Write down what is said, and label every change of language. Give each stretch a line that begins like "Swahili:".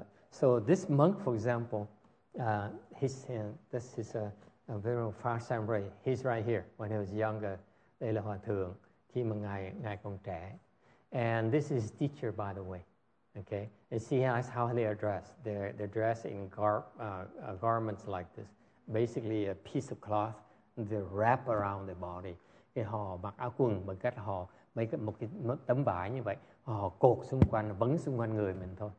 English: So this monk, for example, this is a very far Samre. He's right here when he was younger.
Vietnamese: Đây là hòa thượng khi mà ngài còn trẻ.
English: And this is teacher, by the way. Okay, and see how they are dressed. They're dressed in garments like this. Basically, a piece of cloth they wrap around the body.
Vietnamese: Thì họ mặc áo quần bằng cách họ mấy cái một cái tấm vải như vậy, họ cột xung quanh, vấn xung quanh người mình thôi.